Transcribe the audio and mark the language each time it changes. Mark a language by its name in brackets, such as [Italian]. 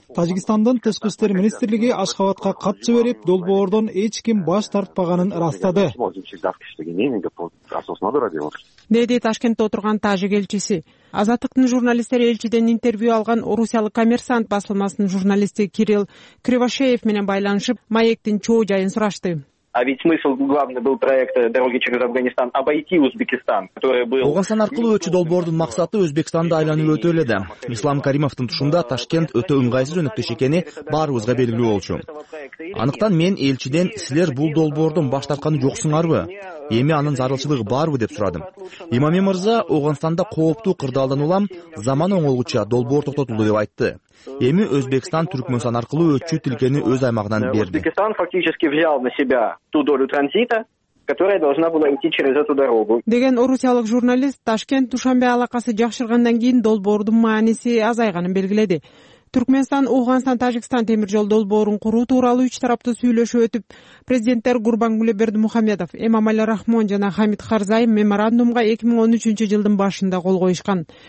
[Kyrgyz] Тажикстандын тышкы иштер министрлиги Ашхабадка кат жиберип, долбоордон эч ким баш тартпаганын ырастады. Деди Ташкентте отурган тажик элчиси. Азаттыктын журналисттери элчиден интервью алган Орусиялык Коммерсант басылмасынын журналисти Кирилл Кривошеев менен байланышып, маектин чоо жайын сурашты. [Russian] А ведь смысл главный был проекта дороги через Афганистан обойти Узбекистан, который был. [Kyrgyz] Ооганстан аркылуу өтчү долбоордун максаты Өзбекстанды айланып өтө эле да. Ислам Каримовдун тушунда Ташкент өтө ыңгайсыз өнөктөш экени баарыбызга белгилүү болчу. Андыктан мен элчиден силер бул долбоордон баш тартканы жоксуңарбы? Эми анын зарылчылыгы барбы деп сурадым. Имами мырза Ооганстанда кооптуу кырдаалдан улам заман оңолгуча долбоор токтотулду деп айтты. Эми Өзбекстан Түркмөнстан аркылуу өтчү тилкени өз аймагынан берди. [Russian] Узбекистан фактически взял на себя ту долю транзита, которая должна была идти через эту дорогу. [Kyrgyz] Деген орусиялык журналист Ташкент Душанбе алакасы жакшыргандан кийин долбоордун мааниси азайганын белгиледи. Түркменстан, Ауганстан, Тажикстан темир жол долбоорун куруу тууралуу үч тараптуу сүйлөшүү өтүп, президенттер Гурбангулы Бердимухамедов, Эмомали Рахмон жана Хамид Харзай меморандумга 2013 жылдын башында кол коюшкан.